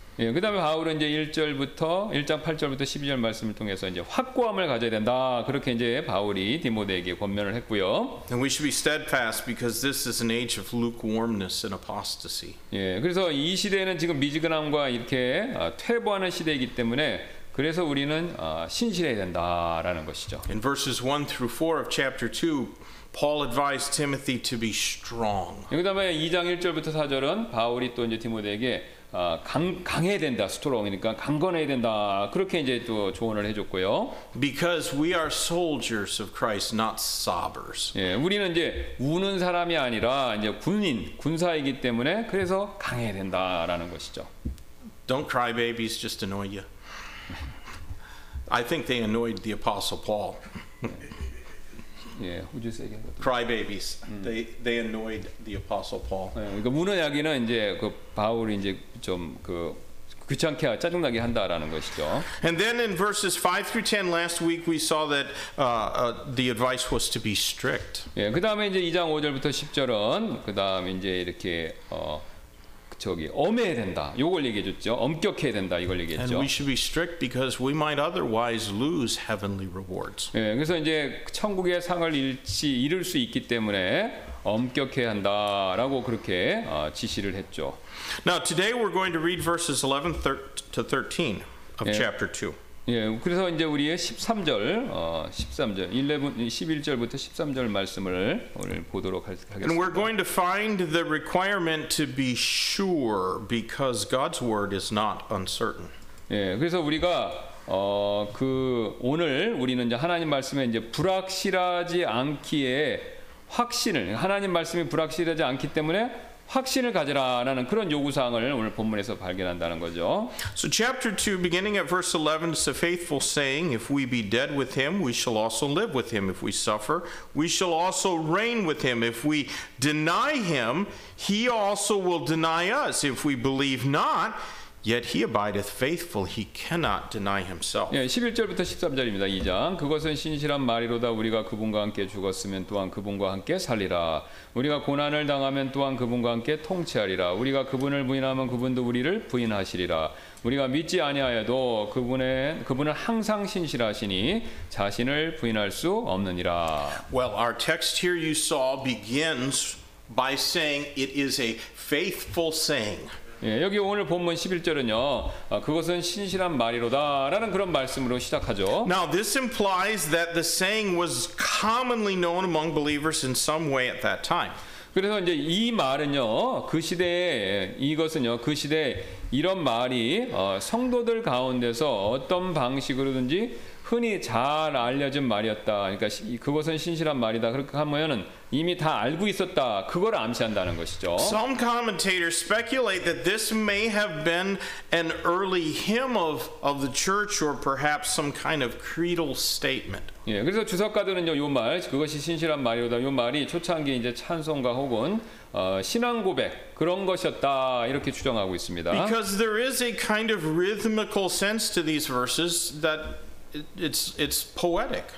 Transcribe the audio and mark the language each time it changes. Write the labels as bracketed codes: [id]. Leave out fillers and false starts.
[ko] 예, 그다음에 바울은 이제 1절부터 1장 8절부터 12절 말씀을 통해서 이제 확고함을 가져야 된다. 그렇게 이제 바울이 디모데에게 권면을 했고요. [en] And we should be steadfast because this is an age of lukewarmness and apostasy. [ko] 예, 그래서 이 시대는 지금 미지근함과 이렇게 퇴보하는 시대이기 때문에 그래서 우리는 신실해야 된다라는 것이죠. [en] In verses 1 through 4 of chapter 2, Paul advised Timothy to be strong. [ko] 예, 그다음에 2장 1절부터 4절은 바울이 또 이제 디모데에게 강해야 된다, 스트롱이니까 강건해야 된다. 그렇게 이제 또 조언을 해줬고요. [en] Because we are soldiers of Christ, not sobbers. [ko] 예, 우리는 이제 우는 사람이 아니라 이제 군인, 군사이기 때문에 그래서 강해야 된다라는 것이죠. [en] Don't cry, babies just annoy you. I think they annoyed the Apostle Paul. Yeah, would you say again? Crybabies. They annoyed the Apostle Paul. [ko] 그러니까 우는 이야기는 이제 그 바울이 이제 좀 그 귀찮게 짜증나게 한다라는 것이죠. [en] And then in verses 5 through 10 last week we saw that the advice was to be strict. [ko] 예, 그다음에 이제 2장 5절부터 10절은 그다음에 이제 이렇게 저기 엄해야 된다. 요걸 얘기해 줬죠. 엄격해야 된다. 이걸 얘기해 줬죠. [en] And we should be strict because we might otherwise lose heavenly rewards. [ko] 예, 그래서 이제 천국의 상을 잃을 수 있기 때문에 엄격해야 한다라고 그렇게 지시를 했죠. [en] Now today we're going to read verses 11 to 13 of chapter 2. [ko] 예, 그래서 이제 우리의 11절부터 13절 말씀을 오늘 보도록 하겠습니다. [en] And we're going to find the requirement to be sure because God's word is not uncertain. [ko] 예, 그래서 우리가 그 오늘 우리는 이제 하나님 말씀에 이제 불확실하지 않기에 확신을 하나님 말씀이 불확실하지 않기 때문에 확신을 가지라라는 그런 요구사항을 오늘 본문에서 발견한다는 거죠. [en] So chapter 2 beginning at verse 11 is a faithful saying, if we be dead with him, we shall also live with him. If we suffer, we shall also reign with him. If we deny him, he also will deny us. If we believe not, yet he abideth faithful, he cannot deny himself. [ko] 예, 11절부터 13절입니다. 2장. 그것은 신실한 말이로다. 우리가 그분과 함께 죽었으면 또한 그분과 함께 살리라. 우리가 고난을 당하면 또한 그분과 함께 통치하리라. 우리가 그분을 부인하면 그분도 우리를 부인하시리라. 우리가 믿지 아니하여도 그분은 항상 신실하시니 자신을 부인할 수 없느니라. [en] Well, our text here you saw begins by saying it is a faithful saying. [ko] 예, 여기 오늘 본문 11절은요. 그것은 신실한 말이로다라는 그런 말씀으로 시작하죠. [en] Now this implies that the saying was commonly known among believers in some way at that time. [ko] 그래서 이제 이 말은요. 그 시대에 이것은요. 그 시대에 이런 말이 성도들 가운데서 어떤 방식으로든지 흔히 잘 알려진 말이었다. 그러니까 그것은 신실한 말이다. 그렇게 하면은 이미 다 알고 있었다. 그걸 암시한다는 것이죠. [en] Some commentators speculate that this may have been an early hymn of the church or perhaps some kind of creedal statement. [ko] 예, 그래서 주석가들은요, 요 말, 그것이 신실한 말이다. 요 말이 초창기 이제 찬송가 혹은 신앙 고백 그런 것이었다 이렇게 주장하고 있습니다. [en] Because there is a kind of rhythmical sense to these verses that It's poetic.